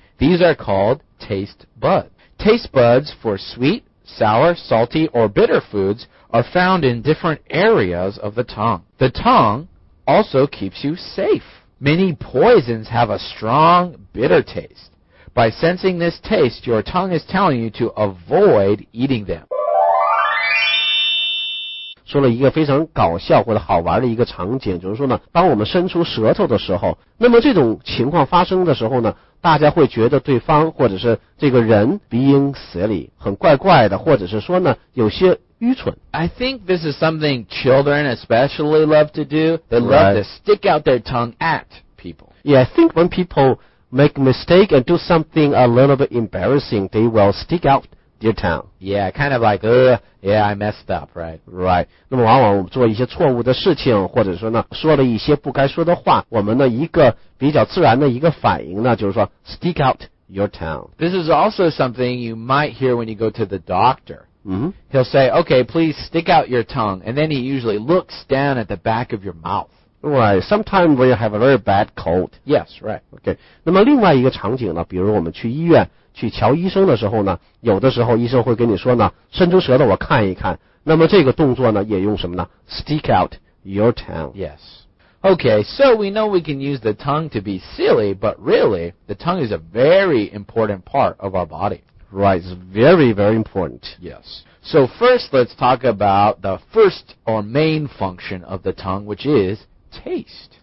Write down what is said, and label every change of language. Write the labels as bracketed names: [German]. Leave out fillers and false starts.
[English] These are called taste buds. Taste buds for sweet, sour, salty, or bitter foods are found in different areas of the tongue. The tongue also keeps you safe. Many poisons have a strong, bitter taste. By sensing this taste, your tongue is telling you to avoid eating them. [Chinese] 说了一个非常搞笑或者好玩的一个场景，就是说呢，当我们伸出舌头的时候，那么这种情况发生的时候呢，大家会觉得对方或者是这个人 [English] being silly, [Chinese] 很怪怪的，或者是说呢，有些愚蠢。 [English] I think this is something children especially love to do. They love to stick out their tongue at people. Yeah, I think when people make a mistake and do something a little bit embarrassing, they will stick out their tongue. Yeah, kind of like, yeah, I messed up, right? [Chinese] Right. 那么往往我们做一些错误的事情，或者说呢，说了一些不该说的话，我们的一个比较自然的一个反应呢，就是说 [English] stick out your tongue. This is also something you might hear when you go to the doctor. Mm-hmm. He'll say, okay, please stick out your tongue. And then he usually looks down at the back of your mouth. Right. Sometimes we have a very bad cold. Yes, right. Okay. [Chinese] 那么另外一个场景呢，比如我们去医院去瞧医生的时候呢，有的时候医生会跟你说呢，伸出舌头我看一看。那么这个动作呢，也用什么呢 ？ [English] Stick out your tongue. Yes. Okay. So we know we can use the tongue to be silly, but really, the tongue is a very important part of our body. Right. It's very, very important. Yes. So first, let's talk about the first or main function of the tongue, which is taste.